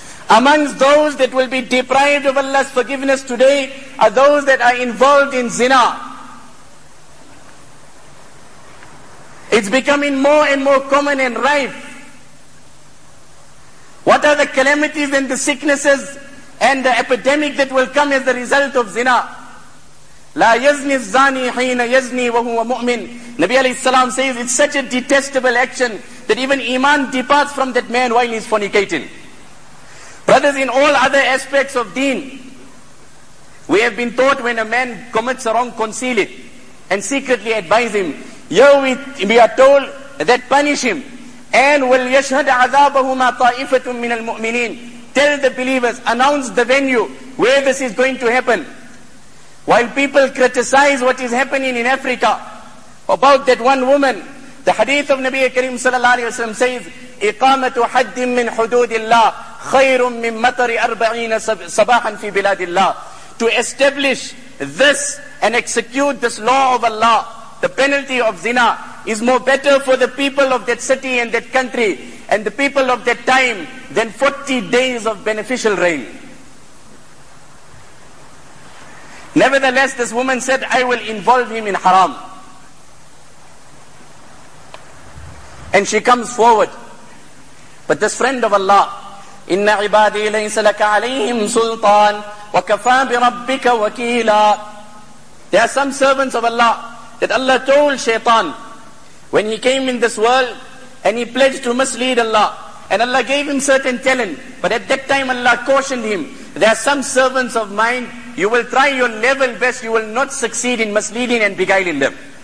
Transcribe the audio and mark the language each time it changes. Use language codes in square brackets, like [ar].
[en] Amongst those that will be deprived of Allah's forgiveness today are those that are involved in zina. It's becoming more and more common and rife. What are the calamities and the sicknesses and the epidemic that will come as a result of zina? [ar] لا يزني الزاني حين يزني وهو مؤمن. [en] Nabi alayhi salam says, it's such a detestable action that even iman departs from that man while he's fornicating. Brothers, in all other aspects of deen, we have been taught when a man commits a wrong, conceal it and secretly advise him. Here we are told that punish him. And [ar] وليشهد عذابهما طائفة من المؤمنين. [en] Tell the believers, announce the venue where this is going to happen. While people criticize what is happening in Africa about that one woman, the hadith of Nabi Karim sallallahu alayhi wa sallam says, [ar] إِقَامَةُ حَدٍّ مِّنْ حُدُودِ اللَّهِ خَيْرٌ مِّنْ مَطَرِ أَرْبَعِينَ صَبَاحًا فِي بِلَادِ اللَّهِ. [en] To establish this and execute this law of Allah, the penalty of zina, is more better for the people of that city and that country and the people of that time than 40 days of beneficial rain. Nevertheless, this woman said, I will involve him in haram. And she comes forward. But this friend of Allah, [ar] إِنَّ عِبَادِي لَيْسَ لَكَ عَلَيْهِمْ سُلْطَانِ وَكَفَى بِرَبِّكَ وَكِيلًا. [en] There are some servants of Allah that Allah told shaitan when he came in this world and he pledged to mislead Allah. And Allah gave him certain talent. But at that time Allah cautioned him, there are some servants of mine, you will try your level best, you will not succeed in misleading and beguiling them.